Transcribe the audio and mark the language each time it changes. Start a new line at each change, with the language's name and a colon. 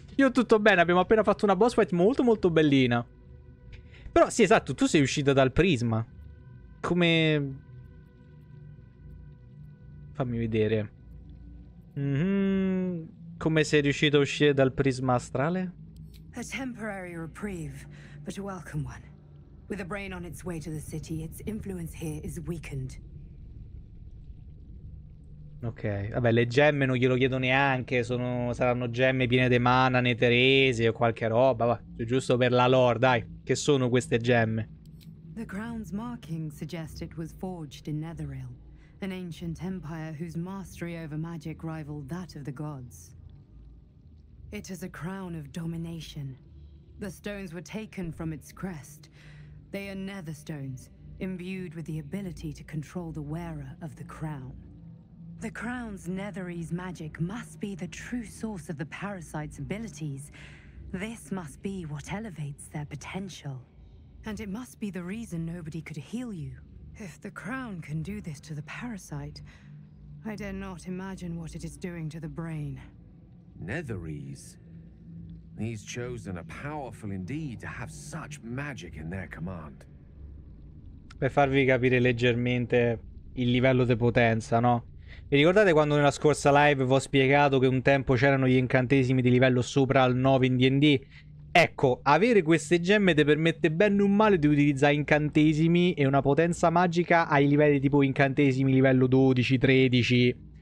Italian: Io tutto bene, abbiamo appena fatto una boss fight molto molto bellina. Però, sì, esatto, tu sei uscita dal prisma. Come... Fammi vedere. Come sei riuscito a uscire dal prisma astrale?
English: A temporary reprieve, but a welcome one. With a brain on its way to the city, its influence here is weakened.
Italian: Ok, vabbè, le gemme non glielo chiedo neanche, saranno gemme piene di mana, neteresi o qualche roba, va. Giusto per la lore, dai, che sono queste gemme?
English: The crown's marking suggests it was forged in Netherreal, an ancient empire whose mastery over magic rivaled that of the gods. It is a crown of domination. The stones were taken from its crest. They are netherstones, imbued with the ability to control the wearer of the crown. The crown's netheries magic must be the true source of the parasite's abilities. This must be what elevates their potential. And it must be the reason nobody could heal you. If the crown can do this to the parasite, I dare not imagine what it is doing to the brain. Netherese? These chosen are powerful indeed to have such magic in their command.
Italian: Per farvi capire leggermente il livello di potenza, no? Vi ricordate quando nella scorsa live vi ho spiegato che un tempo c'erano gli incantesimi di livello sopra al 9 in D&D? Ecco, avere queste gemme ti permette ben un male di utilizzare incantesimi e una potenza magica ai livelli tipo incantesimi livello 12, 13.